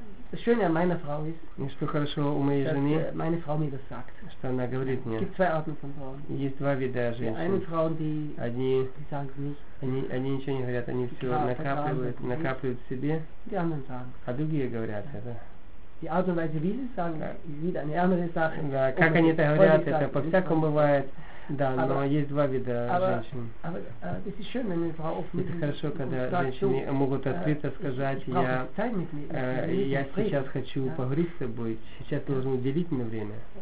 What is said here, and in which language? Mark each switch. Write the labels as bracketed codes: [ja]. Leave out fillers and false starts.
[de] Das Schöne an meiner Frau ist, dass meine Frau mir das sagt. Es gibt 2 Arten von Frauen. Es gibt 2 Arten von Frauen. Die einen Frauen, die sagen es nicht. [ru] Они ничего не говорят, они все накапливают в себе. [de] Die anderen sagen. [ru] А другие говорят это. [de] Die Art und Weise, wie sie sagen, ist wieder eine andere Sache. [ru] Как они это говорят, это по-всякому бывает. Да, но есть два вида женщин. Это еще одна нефра офмит. Это хорошо, когда женщины могут открыто сказать, я сейчас хочу поговорить с тобой, сейчас должен уделить мне время.